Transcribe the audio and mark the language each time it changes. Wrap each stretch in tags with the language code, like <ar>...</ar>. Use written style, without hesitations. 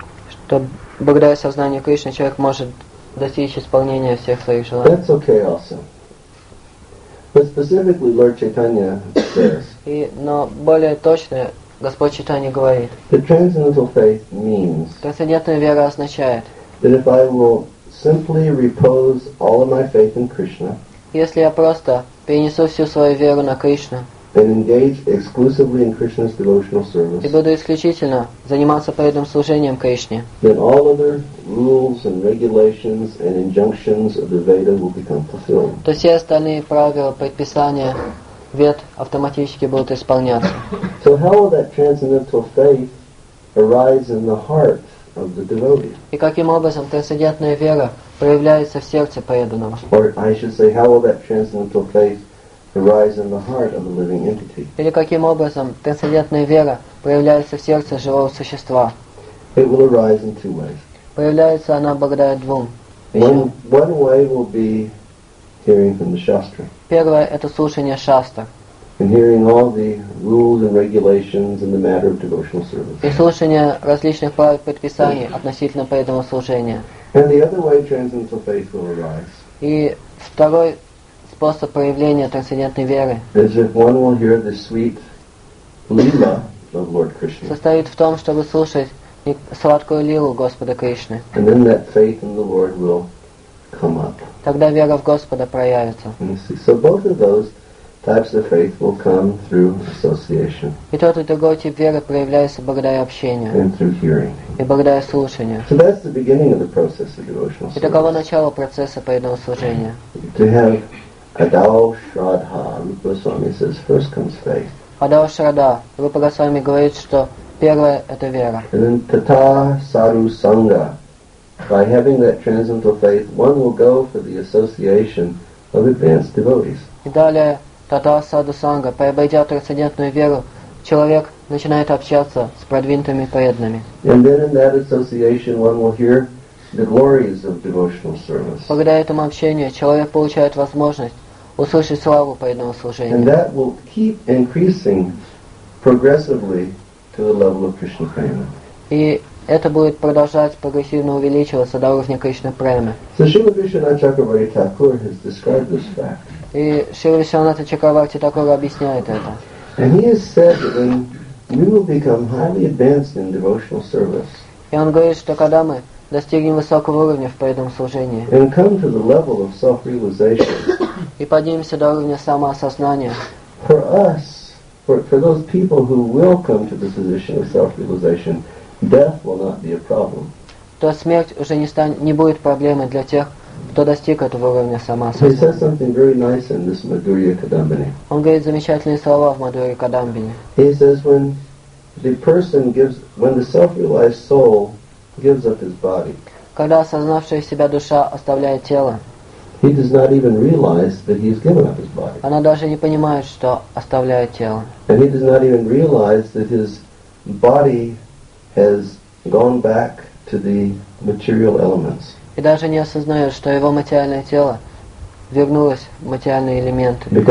<ru>Что благодаря сознанию Кришны человек может достичь исполнения всех своих желаний.</ru> <en>That's okay also. But specifically Lord Chaitanya says.</en> <ru>И но более точно Господь Читание говорит.</ru> <en>The transcendental faith means.</en> <ru>Трансцендентная вера означает.</ru> <en>That if I will simply repose all of my faith in Krishna.</en> <ru>Если я просто перенесу всю свою веру на Кришну.</ru> <en>And engage exclusively in Krishna's devotional service.</en> <ru>И буду исключительно заниматься преданным служением Кришне.</ru> <en>Then all other rules and regulations and injunctions of the Veda will become fulfilled.</en> <ru>То все остальные правила, предписания Вет автоматически будут исполняться.</ru> <en>So how will that transcendental faith arise in the heart of the devotee?</en> <ru>И каким образом трансцендентная вера проявляется в сердце преданного?</ru> <en>Or I should say, how will that transcendental faith arise in the heart of a living entity?</en> <ru>Или каким образом трансцендентная вера проявляется в сердце живого существа?</ru> <en>It will arise in two ways.</en> <ru>Проявляется она благодаря двум.</ru> <en>One way will be hearing from the shastra.</en> <ru>Первое – это слушание шастр.</ru> <en>And hearing all the rules and regulations in the matter of devotional service.</en> <ru>И слушание различных правил предписаний относительно преданного служения.</ru> <en>And the other way transcendental faith will arise.</en> <ru>И второй способ проявления трансцендентной веры.</ru> <en>Is if one will hear the sweet lila of Lord Krishna.</en> <ru>Состоит в том, чтобы слушать сладкую лилу Господа Кришны.</ru> <en>And then that faith in the Lord will come up.</en> <ru>Тогда вера в Господа проявится.</ru> <en>So both of those types of faith will come through association.</en> <ru>И тот и другой тип веры проявляется благодаря общению.</ru> <en>And through hearing.</en> <ru>И благодаря слушанию.</ru> <en>So that's the beginning of the process of devotional service.</en> <ru>И таково начало процесса преданного служения.</ru> <en>To have adau shraddha, Rupa Goswami says, first comes faith.</en> <ru>Adau shraddha, Rupa Goswami говорит, что первое это вера.</ru> <en>And then tata saru sangha. By having that transcendental faith, one will go for the association of advanced devotees.</en> <ru>И далее, тата саду санга, пройдя трансцендентную веру, человек начинает общаться с продвинутыми преданными.</ru> <en>And then in that association, one will hear the glories of devotional service.</en> <ru>Благодаря этому общению, человек получает возможность услышать славу преданного служения.</ru> <en>And that will keep increasing progressively to the level of Krishna prema.</en> <ru>И это будет продолжать прогрессивно увеличиваться до уровня Кришны Премы.</ru> <en>So Śrīla Biśvanātha Chakravarti Thakura has described this fact.</en> <ru>И Śrīla Biśvanātha Chakravarti Thakura объясняет это.</ru> <en>And he has said that when we will become highly advanced in devotional service.</en> <ru>И он говорит, что когда мы достигнем высокого уровня в преданном служении.</ru> <en>And come to the level of self-realization.</en> <ru>И поднимемся до уровня самоосознания.</ru> <en>For us, for those people who will come to the position of self-realization, death will not be a problem.</en> <ru>То смерть уже не будет проблемой для тех, кто достиг этого уровня самоосознания.</ru> <en>He says something very nice in this Madhurya Kadambini.</en> <ru>Он говорит замечательные слова в Madhurya Kadambini.</ru> <en>He says when the self-realized soul gives up his body.</en> <ru>Когда осознавшая себя душа оставляет тело.</ru> <en>He does not even realize that he has given up his body.</en> <ru>Она даже не понимает, что оставляет тело.</ru> <en>And he does not even realize that his body has gone back to the material elements.</en> <ru>И даже не осознает, что его материальное тело вернулось в материальные элементы.</ru>